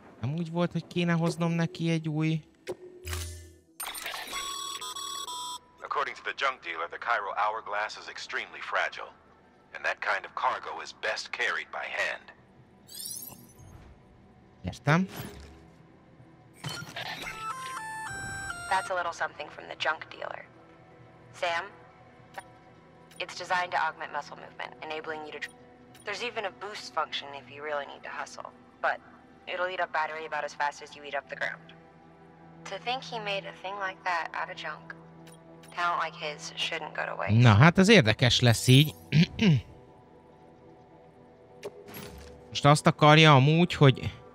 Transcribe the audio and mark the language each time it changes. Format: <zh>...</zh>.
<hu>Nem úgy volt, hogy kéne hoznom neki egy új...</hu> <en>According to the junk dealer, the chiral hourglass is extremely fragile. And that kind of cargo is best carried by hand.</en> <hu>Értem.</hu> <en>That's a little something from the junk dealer. Sam? It's designed to augment muscle movement, enabling you to... There's even a boost function if you really need to hustle, but it'll eat up battery about as fast as you eat up the ground. To think he made a thing like that out of junk. Talent like his shouldn't go to waste.</en> <hu>Na, hát ez érdekes lesz így. Most azt akarja amúgy, hogy...</hu>